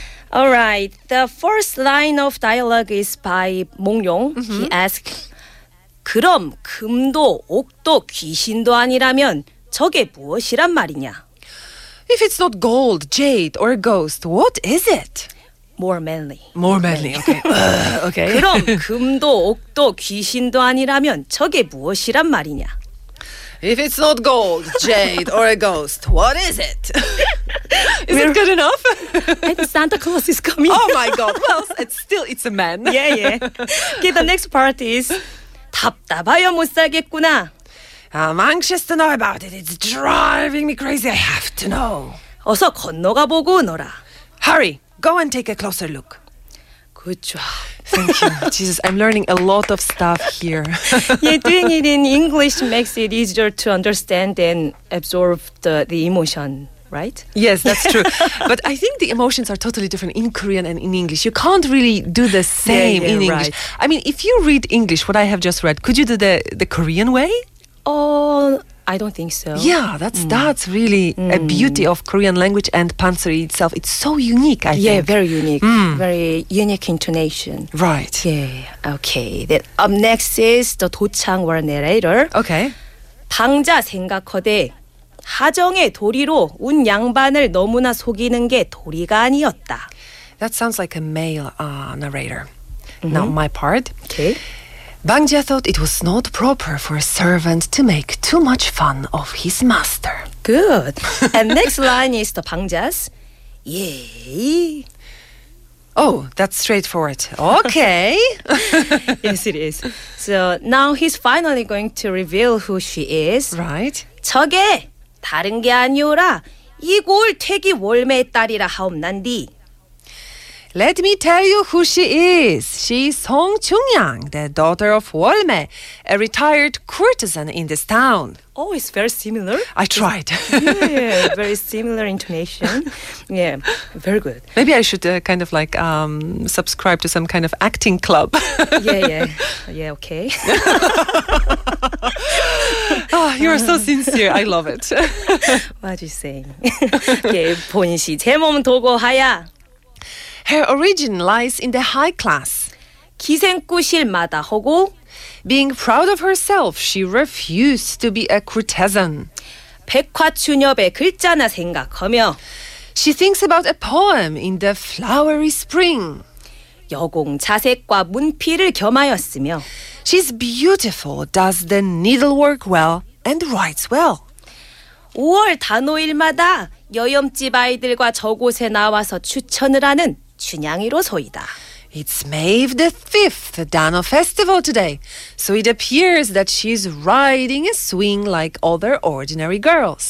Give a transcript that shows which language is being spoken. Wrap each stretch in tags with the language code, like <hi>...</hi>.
<en>All right, the first line of dialogue is by 몽룡. Mm-hmm. He asks,</en> <ko>그럼 금도 옥도 귀신도 아니라면 저게 무엇이란 말이냐?</ko> <en>If it's not gold, jade, or a ghost, what is it? More manly. More manly, okay. okay.</en> <ko>그럼 금도 옥도 귀신도 아니라면 저게 무엇이란 말이냐?</ko> <en>If it's not gold, jade, or a ghost, what is it? Is it good enough? I think Santa Claus is coming. Oh my God, well, it's still, it's a man. Yeah, yeah. Okay, the next part is...</en> <ko>답답하여 못 살겠구나.</ko> <en>I'm anxious to know about it. It's driving me crazy. I have to know.</en> <ko>어서 건너가 보고 오너라.</ko> <en>Hurry, go and take a closer look. Good job. Thank you. Jesus, I'm learning a lot of stuff here. Yeah, doing it in English makes it easier to understand and absorb the emotion. Right? Yes, that's true. But I think the emotions are totally different in Korean and in English. You can't really do the same yeah, in English. Right. I mean, if you read English, what I have just read, could you do the Korean way? Oh, I don't think so. Yeah, that's really a beauty of Korean language and Pansori itself. It's so unique, I think. Yeah, very unique. Mm. Very unique intonation. Right. Yeah. Okay. Then up next is the 도창 or narrator. Okay.</en> <ko>방자 생각하되 하정의 도리로 운 양반을 너무나 속이는 게 도리가 아니었다.</ko> <en>That sounds like a male narrator. Mm-hmm. Now my part. Okay. 방자 thought it was not proper for a servant to make too much fun of his master. Good. And next line is the 방자's. 예. Oh, that's straightforward. Okay. Yes, it is. So now he's finally going to reveal who she is. Right.</en> <ko>저게 다른 게 아니오라 이골 퇴기 월매의 딸이라 하옵난디.</ko> <en>Let me tell you who she is. She's Song Chungyang, the daughter of Wolme, a retired courtesan in this town. Oh, it's very similar. I tried. Yeah, very similar intonation. Yeah, very good. Maybe I should kind of like subscribe to some kind of acting club. Yeah, okay. Oh, you are so sincere. I love it. What are you saying? Okay,</en> <ko>본시 제 몸 도고하야.</ko> <en>Her origin lies in the high class.</en> <ko>기생꾸실마다 하고</ko> <en>being proud of herself, she refused to be a courtesan.</en> <ko>백화춘엽의 글자나 생각하며</ko> <en>she thinks about a poem in the flowery spring.</en> <ko>여공 자색과 문필을 겸하였으며</ko> <en>she's beautiful, does the needlework well, and writes well.</en> <ko>5월 단오일마다 여염집 아이들과 저곳에 나와서 추천을 하는 춘향이로소이다.</ko> <en>It's Maeve the 5th, Dano Festival today. So it appears that she's riding a swing like other ordinary girls.</en>